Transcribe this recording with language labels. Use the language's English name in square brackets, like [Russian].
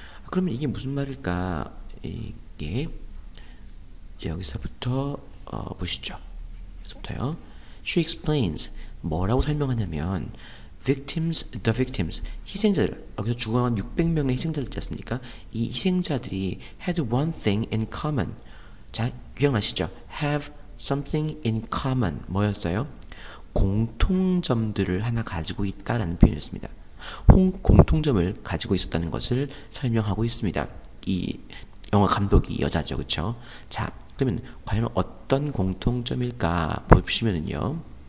[Korean] 그러면 이게 무슨 말일까? 이게 여기서부터 보시죠. 여기서부터요. [English] She explains [Korean] 뭐라고 설명하냐면 [English] the victims [Korean] 희생자들, 여기서 죽어간 600명의 희생자들 있지 않습니까? 이 희생자들이 [English] had one thing in common. [Korean] 자, 기억나시죠? [English] have something in common [Korean] 뭐였어요? 공통점들을 하나 가지고 있다라는 표현이었습니다. 공통점을 가지고 있었다는 것을 설명하고 있습니다. 이 영화 감독이 여자죠, 그렇죠? 자, 그러면 과연 어떤 공통점일까 보시면은요.